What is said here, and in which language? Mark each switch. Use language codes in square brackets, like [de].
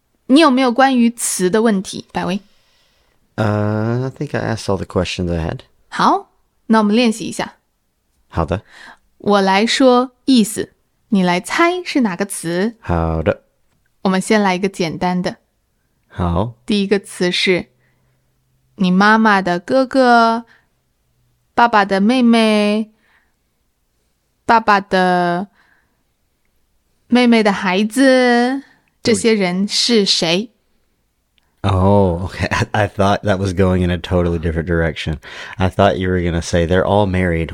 [zh] 你有没有关于词的问题,百威? [en] I think I asked all the questions I had. [zh] 好,那我们练习一下。好的。我来说意思,你来猜是哪个词。好的。我们先来一个简单的。好。第一个词是,你妈妈的哥哥。爸爸的妹妹，爸爸的妹妹的孩子，这些人是谁 [en] ？Oh, okay. I thought that was going in a totally different direction. I thought you were going to say they're all married.